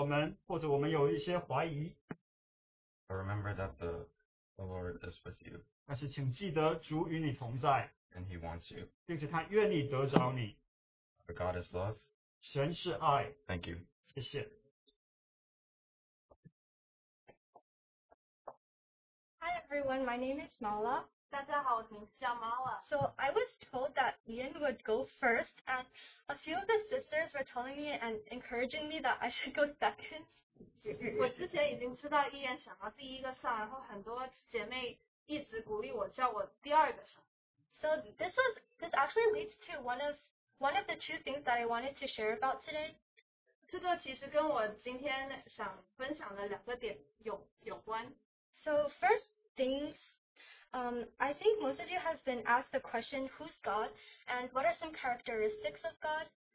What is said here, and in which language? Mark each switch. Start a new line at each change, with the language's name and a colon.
Chinese: 有时候我们会觉得好像主离弃了我们，或者我们有一些怀疑。
English: But remember that the Lord is with you.
Chinese: 但是请记得主与你同在。
English: And He wants you.
Chinese: 并且他愿意得着你。
English: For God is love.
Chinese: 神是爱。
English: Thank you.
Chinese: 谢谢。
English: Hi everyone, my name is Mala.
Chinese: 大家好，我名字叫Mala。
English: So I was told that Ian would go first, and a few of the sisters were telling me and encouraging me that I should go second.
Chinese: 我之前已经知道Ian想要第一个上，然后很多姐妹一直鼓励我叫我第二个上。
English: So this actually leads to one of the two things that I wanted to share about today.
Chinese: 这个其实跟我今天想分享的两个点有关。
English: So first things, I think most of you has been asked the question, who's God, and what are some characteristics of God?